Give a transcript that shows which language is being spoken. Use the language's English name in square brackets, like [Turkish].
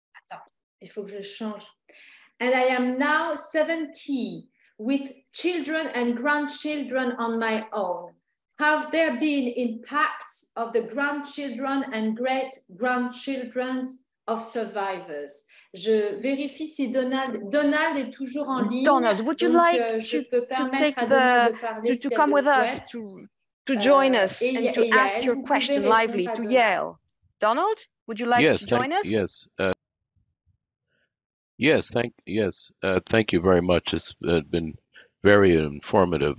[French] Attends, il faut que je change. [English] And I am now 70 with children and grandchildren on my own. Have there been impacts of the grandchildren and great grandchildren's of survivors? [French] Je vérifie si Donald est toujours en ligne. [English] Donald, would you like to come with us to join us and to ask your question lively to Yael? Donald, would you like to join us? Yes. Yes. Thank you very much. It's been very informative.